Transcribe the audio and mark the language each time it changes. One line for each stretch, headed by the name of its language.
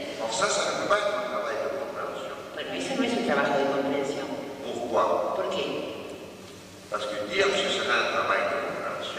French: Ça ne peut pas être un travail de compréhension.
Spanish: Pero ese no es un trabajo de comprensión.
French: Pourquoi?
Spanish: ¿Por qué?
French: Parce que dire que ce serait un travail de compréhension.